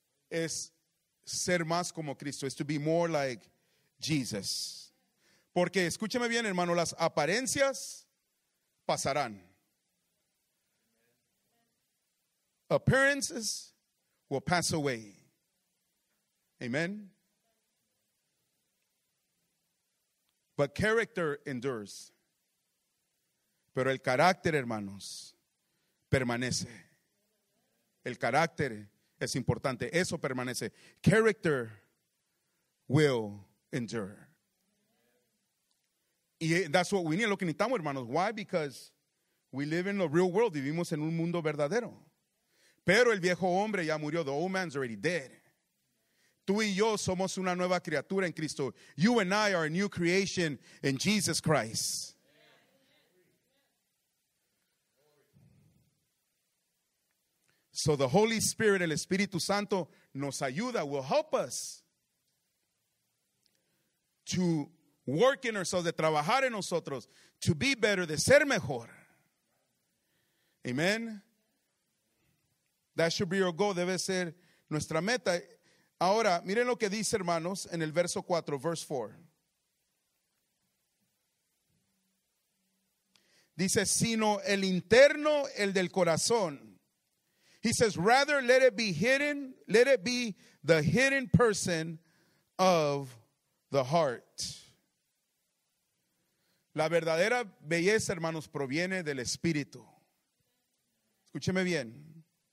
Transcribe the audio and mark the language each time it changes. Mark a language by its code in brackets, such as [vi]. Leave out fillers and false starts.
[es] Es ser más como Cristo. Es [en] to be more like Jesus. [es] Porque escúcheme bien, hermano, las apariencias pasarán. [en] Appearances will pass away. Amen. But character endures. [es] Pero el carácter, hermanos, permanece. El carácter es importante. Eso permanece. [en] Character will endure. Y that's what we need. [es] Lo que necesitamos, hermanos. [en] Why? Because we live in the real world. [es] Vivimos en un mundo verdadero. Pero el viejo hombre ya murió. [en] The old man's already dead. [es] Tú y yo somos una nueva criatura en Cristo. [en] You and I are a new creation in Jesus Christ. So the Holy Spirit, [es] el Espíritu Santo, nos ayuda, [en] will help us to work in ourselves, [es] de trabajar en nosotros, [en] to be better, [es] de ser mejor. [en] Amen. That should be your goal, [es] debe ser nuestra meta. Ahora, miren lo que dice, hermanos, en el verso 4, [en] verse 4. [es] Dice, sino el interno, el del corazón. [en] He says, rather let it be hidden, let it be the hidden person of the heart. [es] La verdadera belleza, hermanos, proviene del espíritu. Escúcheme bien.